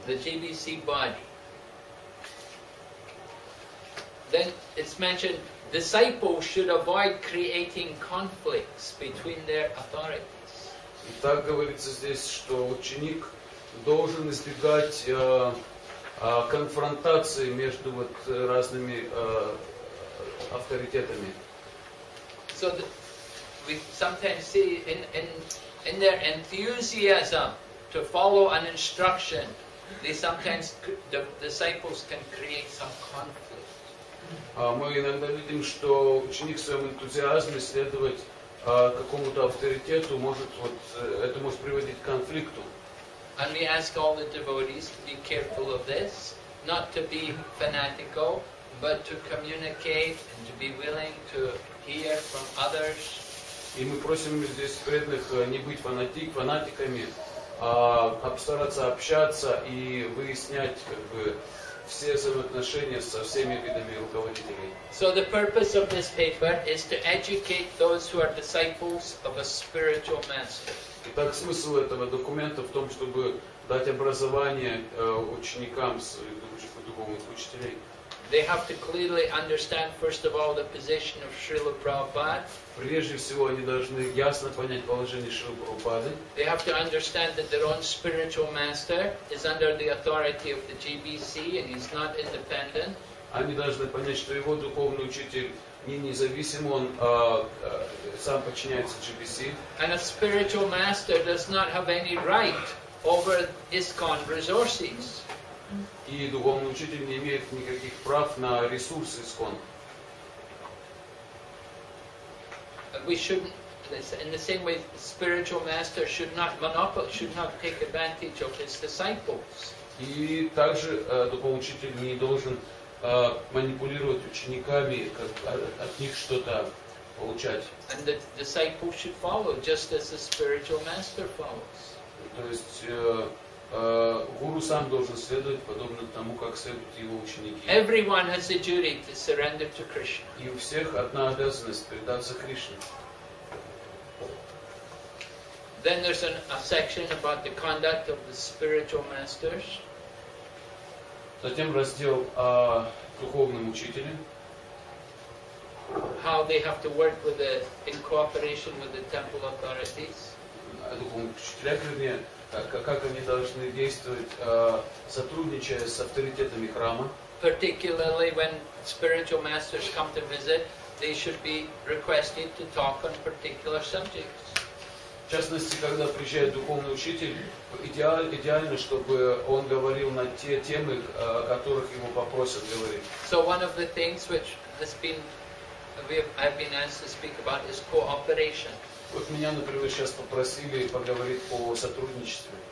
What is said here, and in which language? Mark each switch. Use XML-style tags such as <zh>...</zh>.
<en>The GBC body. Then it's mentioned disciples should avoid creating conflicts between their authorities.</en> <ru>И так говорится здесь, что ученик должен избегать конфронтации между вот разными авторитетами.</ru> <en>So we sometimes see in their enthusiasm to follow an instruction, they sometimes the disciples can create some conflict.</en> <ru>Мы иногда видим, что ученик в своем энтузиазме следовать какому-то авторитету может вот это может приводить к конфликту.</ru> <en>And we ask all the devotees to be careful of this, not to be fanatical, but to communicate and to be willing to hear from others.</en> <ru>И мы просим здесь преданных не быть фанатиками, а стараться общаться и выяснять как бы все взаимоотношения со всеми видами руководителей.</ru> <en>So the purpose of this paper is to educate those who are disciples of a spiritual master.</en> <ru>Итак, смысл этого документа в том, чтобы дать образование ученикам, другому учителей.</ru> <en>They have to clearly understand first of all the position of Srila Prabhupada.</en> <ru>Прежде всего они должны ясно понять положение Шрилы Прабхупады.</ru> <en>They have to understand that their own spiritual master is under the authority of the GBC and he's not independent.</en> <ru>Они должны понять, что его духовный учитель не независим, он сам подчиняется GBC.</ru> <en>And a spiritual master does not have any right over ISKCON resources.</en> <ru>И духовный учитель не имеет никаких прав на ресурсы ИСКОН.</ru> <en>We shouldn't, in the same way, the spiritual master should not take advantage of his disciples.</en> <ru>И также духовный учитель не должен манипулировать учениками, как от них что-то получать.</ru> <en>And the disciples should follow, just as the spiritual master follows.</en> <ru>То есть гуру сам должен следовать подобно тому, как следуют его ученики.</ru> <en>Everyone has a duty to surrender to Krishna.</en> <ru>И у всех одна обязанность предаться Кришне.</ru> <en>Then there's a section about the conduct of the spiritual masters.</en> <ru>Затем раздел о духовном учителе.</ru> <en>How they have to work with the in cooperation with the temple authorities.</en> <ru>О духовном учителе, вернее. Как они должны действовать, сотрудничая с авторитетами храма.</ru> <en>Particularly when spiritual masters come to visit, they should be requested to talk on particular subjects.</en> <ru>В частности, когда приезжает духовный учитель, идеально, чтобы он говорил на те темы, о которых ему попросят говорить.</ru> <en>So one of the things which has been, I've been asked to speak about is cooperation.</en> <ru>Вот меня, например, сейчас попросили поговорить по сотрудничеству.</ru>